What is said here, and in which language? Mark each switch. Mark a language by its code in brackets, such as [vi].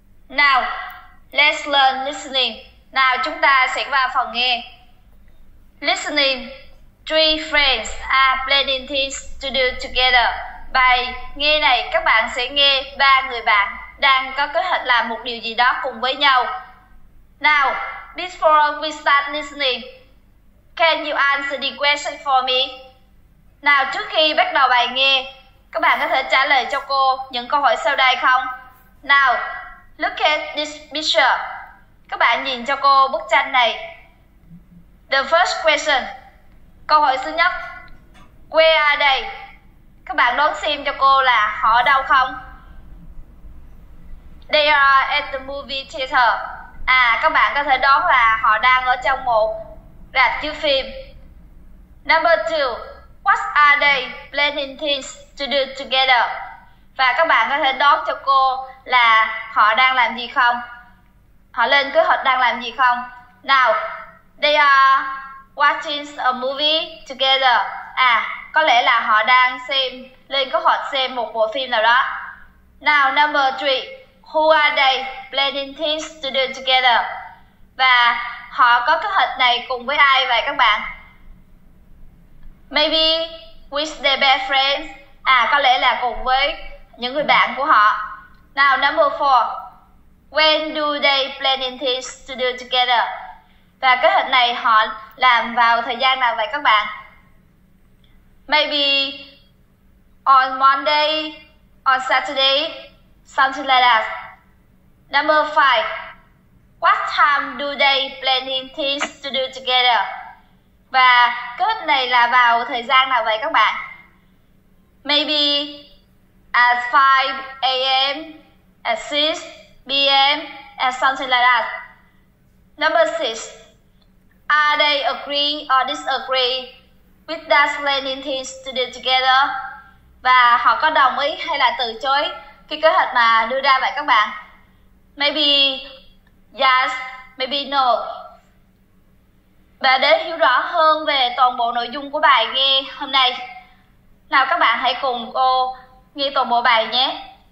[en] Now, let's learn listening. Now, [vi] chúng ta sẽ vào phần nghe. [en] Listening. Three friends are planning things to do together. [vi] Bài nghe này, các bạn sẽ nghe ba người bạn đang có kế hoạch làm một điều gì đó cùng với nhau. [en] Now, before we start listening, can you answer the question for me? [vi] Now, trước khi bắt đầu bài nghe, các bạn có thể trả lời cho cô những câu hỏi sau đây không? [en] Now, look at this picture. [vi] Các bạn nhìn cho cô bức tranh này. [en] The first question. [vi] Câu hỏi thứ nhất, [en] where are they? [vi] Các bạn đoán xem cho cô là họ ở đâu không? [en] They are at the movie theater. [vi] À, các bạn có thể đoán là họ đang ở trong một rạp chiếu phim. [en] Number two, what are they planning things to do together? [vi] Và các bạn có thể đoán cho cô là họ đang làm gì không? Họ lên kế hoạch đang làm gì không? [en] Now, they are watching a movie together. [vi] À, có lẽ là họ đang xem, lên kế hoạch xem một bộ phim nào đó. [en] Now, number three, who are they planning things to do together? [vi] Và họ có kế hoạch này cùng với ai vậy các bạn? [en] Maybe with their best friends. [vi] À, có lẽ là cùng với những người bạn của họ. [en] Now, number four, when do they planning things to do together? [vi] Và kế hoạch này họ làm vào thời gian nào vậy các bạn? [en] Maybe on Monday, on Saturday, something like that. Number five, what time do they planning things to do together? [vi] Và kế hoạch này là vào thời gian nào vậy các bạn? Maybe [en] at 5 a.m., at 6 p.m., and something like that. Number 6, are they agree or disagree with that learning things to do together? [vi] Và họ có đồng ý hay là từ chối cái kế hoạch mà đưa ra vậy các bạn? [en] Maybe yes, maybe no. [vi] Và để hiểu rõ hơn về toàn bộ nội dung của bài nghe hôm nay, nào các bạn hãy cùng cô nghe toàn bộ bài nhé.